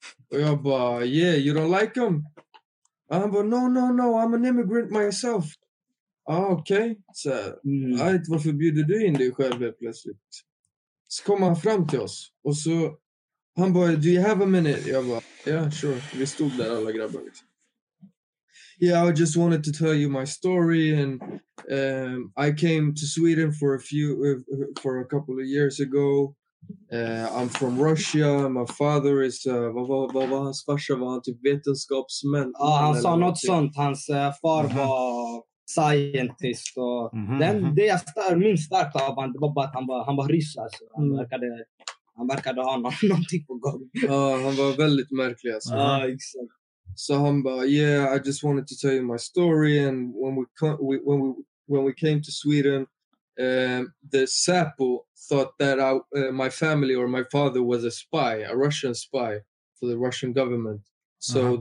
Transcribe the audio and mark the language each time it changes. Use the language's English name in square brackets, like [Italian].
[Swedish] Och jag bara, [English] yeah, you don't like them? [Swedish] Och han bara, [English] no, I'm an immigrant myself. [Swedish] Ah, okej. [English] Okay. [Swedish] Så här, varför bjuder du in dig själv plötsligt? Så kom han fram till oss. Och så, han bara, [English] do you have a minute? [Swedish] Jag bara, [English] yeah, sure. [Swedish] Vi stod där alla grabbar. [English] Yeah, I just wanted to tell you my story. And I came to Sweden for a couple of years ago. I'm from Russia. My father is, [Swedish] vad var hans farsa? Var han typ vetenskapsmän? Ja, han sa något sånt. Hans far var... scientist och mm-hmm. den det jag minst starkt av han var bara att han var ryss, alltså. han verkade ha någonting på gång. Ja, han var väldigt märklig, alltså. Ja, exakt. Så han bara, [English] yeah, I just wanted to tell you my story, and when we came to Sweden, the Säpo thought that my family or my father was a spy, a Russian spy for the Russian government, so mm-hmm.